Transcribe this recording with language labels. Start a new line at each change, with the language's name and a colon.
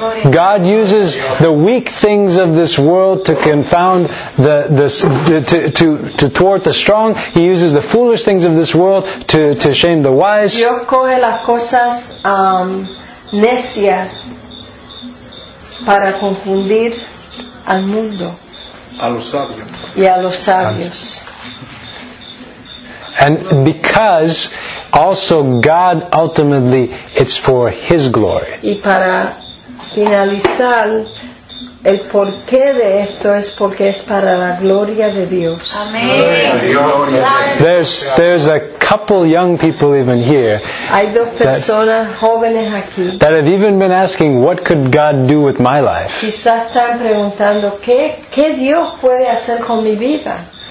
English: God uses the weak things of this world to confound to thwart the strong. He uses the foolish things of this world to shame the wise.
Spanish: Dios coge las cosas necias para confundir al mundo. A los sabios. Y a los sabios.
English: And because also God ultimately it's for His glory.
Spanish: Y para finalizar, el porqué de esto es porque es para la gloria de Dios. Amén.
English: There's a couple young people even here.
Spanish: Hay dos personas jóvenes aquí.
English: That have even been asking what could God do with my life.
Spanish: Quizás están preguntando qué Dios puede hacer con mi vida.